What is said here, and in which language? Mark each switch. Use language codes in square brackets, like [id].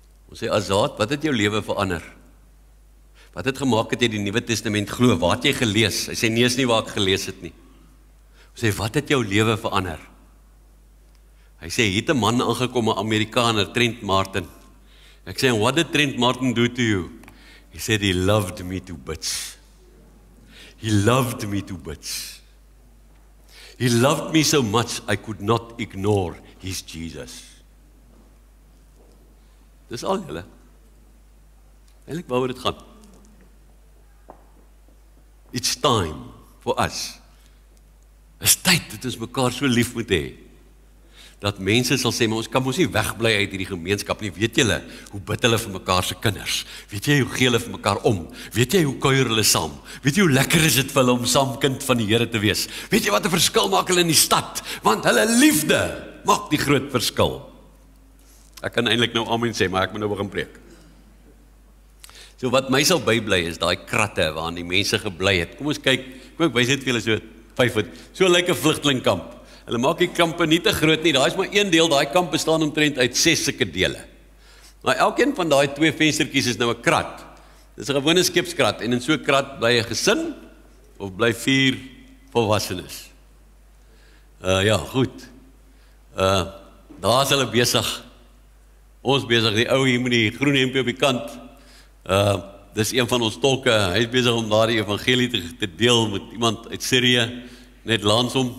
[af] Ons sê, Azad, wat het jou lewe verander? Wat het gemaak dat jy die Nuwe Testament glo? Waar het jy gelees? Hy sê, nee, is nie waar ek gelees het nie. Ons sê, wat het jou lewe verander? Hy sê, hier het 'n man aangekom, 'n Amerikaner, Trent Martin. Ek sê, [en] what did Trent Martin do to you? He said he loved me to bits. He loved me to bits. He loved me so much I could not ignore his Jesus. [af] Dis al julle. Eilik waaroor dit gaan. [en] It's time for us. [af] Is tyd dat ons mekaar so lief moet hê. Dat mense sal sê, maar ons kan mos nie wegbly uit hierdie gemeenskap nie. Weet julle hoe bid hulle vir mekaar se kinders? Weet jy hoe gee hulle vir mekaar om? Weet jy hoe kuier hulle saam? Weet jy hoe lekker is dit vir hulle om saam kind van die Here te wees? Weet jy wat 'n verskil maak hulle in die stad? Want hulle liefde maak die groot verskil. Ek kan eintlik nou amen sê, maar ek moet nou begin preek. So wat my sal bybly is daai kratte waarin die mense gebly het. Kom ons kyk, kom ek wys net vir julle so 5 voet. So lyk 'n vlugtelingkamp. Hulle maak die kampe nie te groot nie, daar is maar een deel, daai kamp bestaan omtrent uit 6 sulke dele. Maar elkeen van daai 2 venstertjies is nou 'n krat. Dit is 'n gewone skeepskrat en in so 'n krat bly 'n gesin of bly 4 volwassenes. Goed. Daar is hulle besig. Ons besig, die ou hier met die groen hempie op die kant. Dis een van ons tolke, hy is besig om daar die evangelie te deel met iemand uit Sirië, net langs hom.